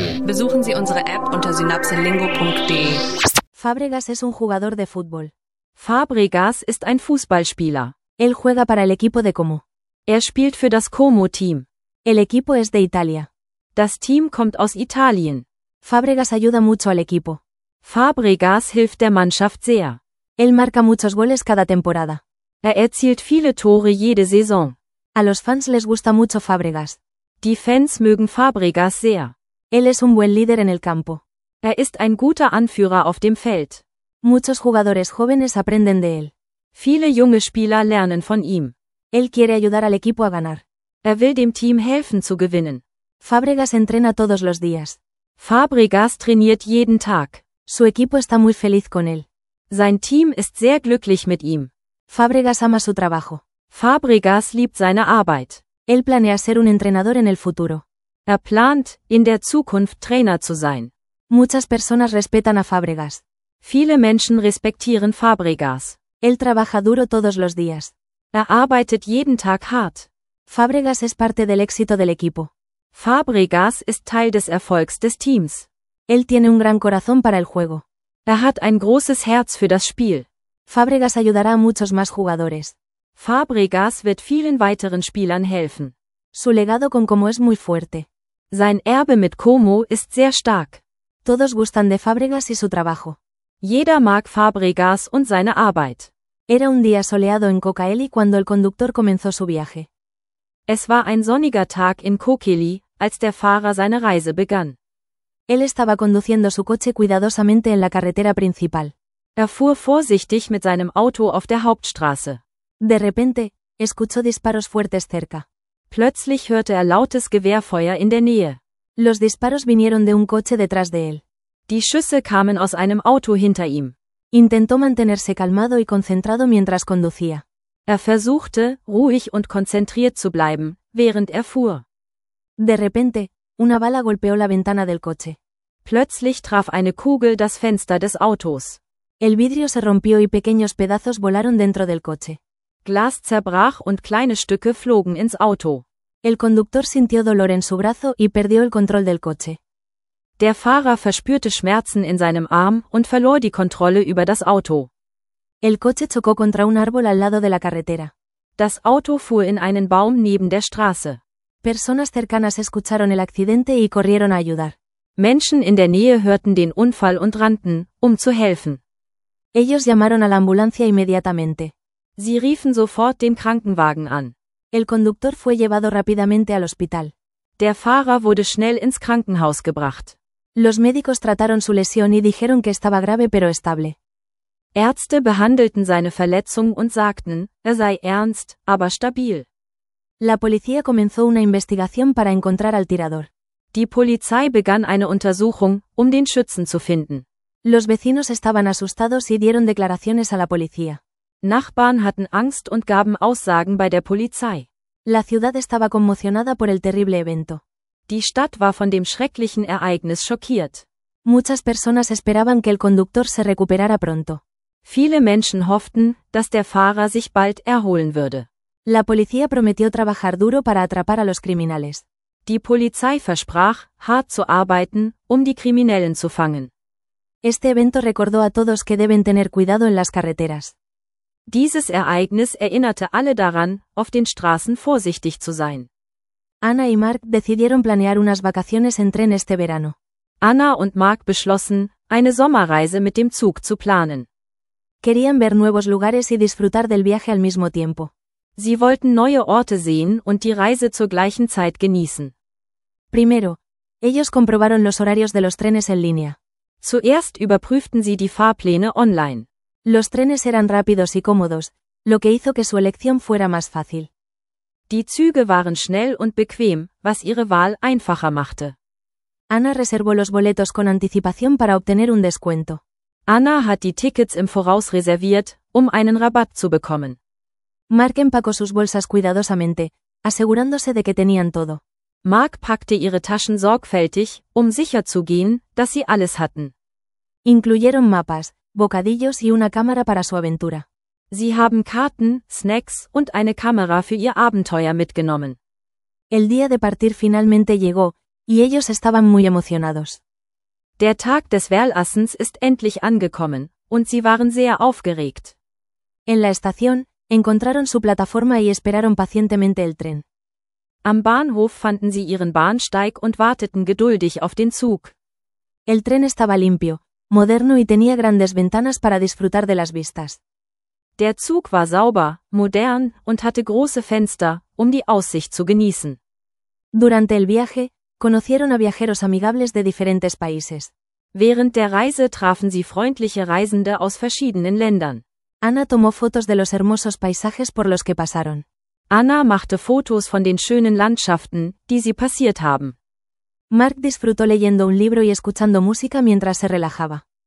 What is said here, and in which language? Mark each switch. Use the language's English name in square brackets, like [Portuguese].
[German] Besuchen Sie unsere App unter synapselingo.de. [Spanish] Fabregas es un jugador de fútbol. [German] Fabregas ist ein Fußballspieler. [Spanish] Él juega para el equipo de Como. [German] Er spielt für das Como-Team. [Spanish] El equipo es de Italia. [German] Das Team kommt aus Italien. [Spanish] Fabregas ayuda mucho al equipo. [German] Fabregas hilft der Mannschaft sehr. [Spanish] Él marca muchos goles cada temporada. [German] Er erzielt viele Tore jede Saison. [Spanish] A los fans les gusta mucho Fabregas. [German] Die Fans mögen Fabregas sehr. [Spanish] Él es un buen líder en el campo. [German] Er ist ein guter Anführer auf dem Feld. [Spanish] Muchos jugadores jóvenes aprenden de él. [German] Viele junge Spieler lernen von ihm. [Spanish] Él quiere ayudar al equipo a ganar. [German] Er will dem Team helfen zu gewinnen. [Spanish] Fabregas entrena todos los días. [German] Fabregas trainiert jeden Tag. [Spanish] Su equipo está muy feliz con él. [German] Sein Team ist sehr glücklich mit ihm. [Spanish] Fabregas ama su trabajo. [German] Fabregas liebt seine Arbeit. [Spanish] Él planea ser un entrenador en el futuro. [German] Er plant, in der Zukunft Trainer zu sein. [Spanish] Muchas personas respetan a Fabregas. [German] Viele Menschen respektieren Fabregas. [Spanish] Él trabaja duro todos los días. [German] Er arbeitet jeden Tag hart. [Spanish] Fabregas es parte del éxito del equipo. [German] Fabregas ist Teil des Erfolgs des Teams. [Spanish] Él tiene un gran corazón para el juego. [German] Er hat ein großes Herz für das Spiel. [Spanish] Fabregas ayudará a muchos más jugadores. [German] Fabregas wird vielen weiteren Spielern helfen. [Spanish] Su legado con Como es muy fuerte. [German] Sein Erbe mit Como ist sehr stark. [Spanish] Todos gustan de Fabregas y su trabajo. [German] Jeder mag Fabregas und seine Arbeit. [Spanish] Era un día soleado en Cocaeli cuando el conductor comenzó su viaje. [German] Es war ein sonniger Tag in Cocaeli, als der Fahrer seine Reise begann. [Spanish] Él estaba conduciendo su coche cuidadosamente en la carretera principal. [German] Er fuhr vorsichtig mit seinem Auto auf der Hauptstraße. [Spanish] De repente, escuchó disparos fuertes cerca. [German] Plötzlich hörte er lautes Gewehrfeuer in der Nähe. [Spanish] Los disparos vinieron de un coche detrás de él. [German] Die Schüsse kamen aus einem Auto hinter ihm. [Spanish] Intentó mantenerse calmado y concentrado mientras conducía. [German] Er versuchte, ruhig und konzentriert zu bleiben, während er fuhr. [Spanish] De repente, una bala golpeó la ventana del coche. [German] Plötzlich traf eine Kugel das Fenster des Autos. [Spanish] El vidrio se rompió y pequeños pedazos volaron dentro del coche. [German] Glas zerbrach und kleine Stücke flogen ins Auto. [Spanish] El conductor sintió dolor en su brazo y perdió el control del coche. [German] Der Fahrer verspürte Schmerzen in seinem Arm und verlor die Kontrolle über das Auto. [Spanish] El coche chocó contra un árbol al lado de la carretera. [German] Das Auto fuhr in einen Baum neben der Straße. [Spanish] Personas cercanas escucharon el accidente y corrieron a ayudar. [German] Menschen in der Nähe hörten den Unfall und rannten, um zu helfen. [Spanish] Ellos llamaron a la ambulancia inmediatamente. [German] Sie riefen sofort den Krankenwagen an. [Spanish] El conductor fue llevado rápidamente al hospital. [German] Der Fahrer wurde schnell ins Krankenhaus gebracht. [Spanish] Los médicos trataron su lesión y dijeron que estaba grave pero estable. [German] Ärzte behandelten seine Verletzung und sagten, er sei ernst, aber stabil. [Spanish] La policía comenzó una investigación para encontrar al tirador. [German] Die Polizei begann eine Untersuchung, um den Schützen zu finden. [Spanish] Los vecinos estaban asustados y dieron declaraciones a la policía. [German] Nachbarn hatten Angst und gaben Aussagen bei der Polizei. [Spanish] La ciudad estaba conmocionada por el terrible evento. [German] Die Stadt war von dem schrecklichen Ereignis schockiert. [Spanish] Muchas personas esperaban que el conductor se recuperara pronto. [German] Viele Menschen hofften, dass der Fahrer sich bald erholen würde. [Spanish] La policía prometió trabajar duro para atrapar a los criminales. [German] Die Polizei versprach, hart zu arbeiten, um die Kriminellen zu fangen. [Spanish] Este evento recordó a todos que deben tener cuidado en las carreteras. [German] Dieses Ereignis erinnerte alle daran, auf den Straßen vorsichtig zu sein. [Spanish] Anna y Mark decidieron planear unas vacaciones en tren este verano. [German] Anna und Mark beschlossen, eine Sommerreise mit dem Zug zu planen. [Spanish] Querían ver nuevos lugares y disfrutar del viaje al mismo tiempo. [German] Sie wollten neue Orte sehen und die Reise zur gleichen Zeit genießen. [Spanish] Primero, ellos comprobaron los horarios de los trenes en línea. [German] Zuerst überprüften sie die Fahrpläne online. [Spanish] Los trenes eran rápidos y cómodos, lo que hizo que su elección fuera más fácil. [German] Die Züge waren schnell und bequem, was ihre Wahl einfacher machte. [Spanish] Anna reservó los boletos con anticipación para obtener un descuento. [German] Anna hat die Tickets im Voraus reserviert, um einen Rabatt zu bekommen. [Spanish] Mark empacó sus bolsas cuidadosamente, asegurándose de que tenían todo. [German] Mark packte ihre Taschen sorgfältig, um sicherzugehen, dass sie alles hatten. [Spanish] Incluyeron mapas, bocadillos y una cámara para su aventura. [German] Sie haben Karten, Snacks und eine Kamera für ihr Abenteuer mitgenommen. [Spanish] El día de partir finalmente llegó, Y ellos estaban muy emocionados. [German] Der Tag des Walassens ist endlich angekommen, und sie waren sehr aufgeregt. [Spanish] En la estación, encontraron su plataforma y esperaron pacientemente el tren. [German] Am Bahnhof fanden sie ihren Bahnsteig und warteten geduldig auf den Zug. [Spanish] El tren estaba limpio, moderno y tenía grandes ventanas para disfrutar de las vistas. [German] Der Zug war sauber, modern und hatte große Fenster, um die Aussicht zu genießen. [Spanish] Durante el viaje, conocieron a viajeros amigables de diferentes países. [German] Während der Reise trafen sie freundliche Reisende aus verschiedenen Ländern. [Spanish] Anna tomó fotos de los hermosos paisajes por los que pasaron. [German] Anna machte Fotos von den schönen Landschaften, die sie passiert haben. [Spanish] Mark disfrutó leyendo un libro y escuchando música mientras se relajaba.